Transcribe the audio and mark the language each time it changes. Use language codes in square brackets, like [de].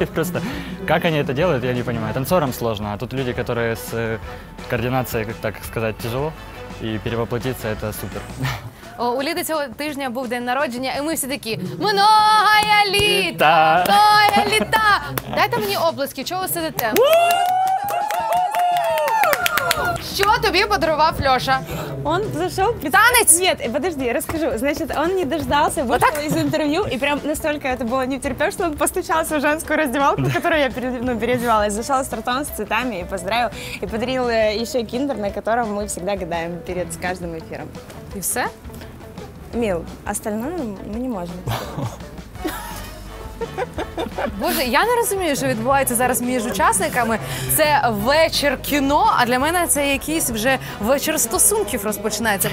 [ru] Просто как они это делают, я не понимаю. Танцорам сложно, а тут люди, которые с координацией, как так сказать, тяжело, и перевоплотиться – это супер. [uk] У Ліди цього тижня був день народження, і ми всі такі «Многая літа! Многая літа!» Дайте мені облески, чого ви сидите? Що тобі подарував Льоша? [ru] Он зашел... [uk] Танець! [ru] Нет, подожди, расскажу. Значит, он не дождался, вышел из интервью, и прям настолько это было нетерпеж, что он постучался в женскую раздевалку, которую я переодевалась. Зашел с тартон, с цветами и поздравил. И подарил еще киндер, на котором мы всегда гадаем перед каждым эфиром. И все? Мил, остальное мы не можем. [uk] Боже, я не розумію, що відбувається зараз між учасниками. Це вечір кіно, а для мене це якийсь вже вечір стосунків розпочинається.